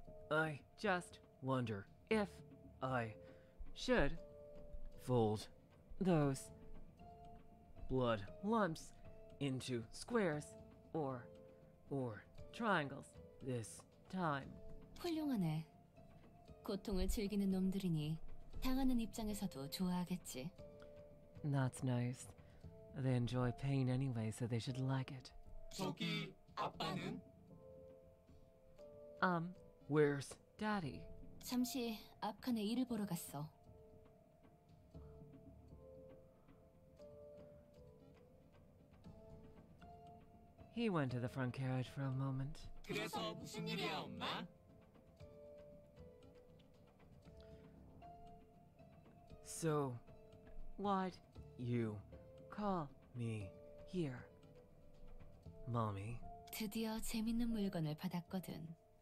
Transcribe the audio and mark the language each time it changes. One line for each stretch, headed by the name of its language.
English: I just wonder if I should fold those blood lumps into squares or triangles this time.
Korean: 훌륭하네. 고통을 즐기는 놈들이니 당하는 입장에서도 좋아하겠지.
English: That's nice. They enjoy pain anyway, so they should like it.
Korean: 저기 아빠는?
English: Where's Daddy?
Korean: 잠시 앞 칸에 일을 보러 갔어.
English: He went to the front carriage for a moment.
Korean: 그래서 무슨 일이야, 엄마?
English: So, what you call me here? Mommy.
Korean: 드디어 재밌는 물건을 받았거든.